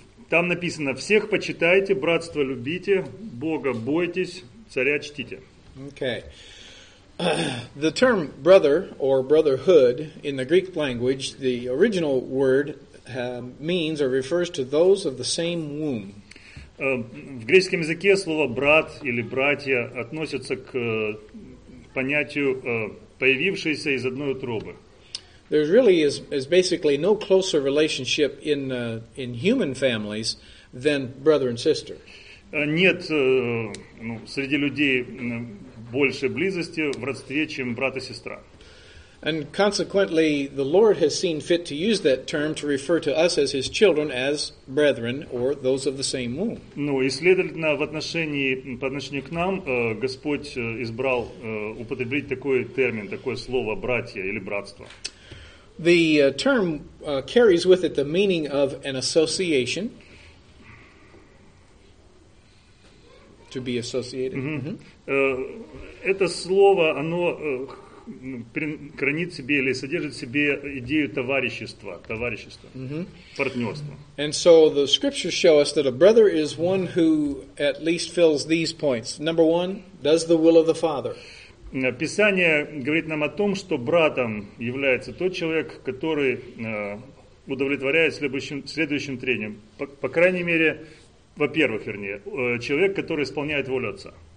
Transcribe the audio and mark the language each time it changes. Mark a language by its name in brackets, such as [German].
[Russian] Там написано: «Всех почитайте, братство любите, Бога бойтесь, царя чтите». [English] Okay. The term brother or brotherhood in the Greek language, the original word means or refers to those of the same womb. [Russian] В греческом языке слово брат или братья относится к понятию появившиеся из одной утробы. [English] There really is basically no closer relationship in human families than brother and sister. [Russian] Нет, ну, среди людей больше близости в родстве, чем брат и сестра. [English] And consequently, the Lord has seen fit to use that term to refer to us as his children, as brethren, or those of the same womb. [Russian] Ну, и следовательно, по отношению к нам, Господь избрал употребить такой термин, такое слово «братья» или «братство». [English] The term carries with it the meaning of an association, to be associated. [Russian] Это слово, оно хранит в себе или содержит в себе идею товарищества, партнерства. [English] And so the scriptures show us that a brother is one who at least fills these points. Number one, does the will of the Father. [Russian] Писание говорит нам о том, что братом является тот человек, который удовлетворяет следующим требованиям. По крайней мере, во-первых, вернее, человек, который исполняет волю Отца.